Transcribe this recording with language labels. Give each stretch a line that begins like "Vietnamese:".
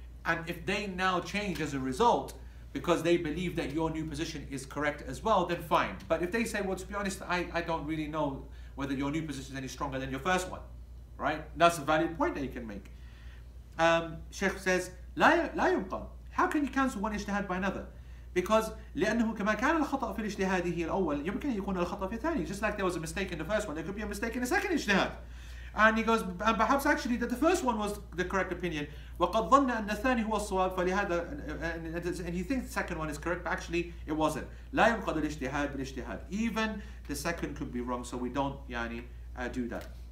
English: And if they now change as a result, because they believe that your new position is correct as well, then fine. But if they say, well, to be honest, I don't really know whether your new position is any stronger than your first one, right? That's a valid point that you can make. Sheikh says,
Arabic: لا يمكن.
English: How can you cancel one ijtihad by another? Because
Arabic: لأنه كما كان الخطأ في الاجتهاده الأول يمكن يكون الخطأ في الثاني.
English: Just like there was a mistake in the first one, there could be a mistake in the second ijtihad. And he goes, and perhaps actually that the first one was the correct opinion.
Arabic: وَقَدْ ظَنَّ أَنَّ الثَّانِي هُوَ الصَّوَابِ فَلِهَذَا
English: And he thinks the second one is correct, but actually it wasn't.
Arabic: لَا يُمْقَدُ الْإِجْتِهَادِ بِالْإِجْتِهَادِ
English: Even the second could be wrong, so we don't, yani, do that.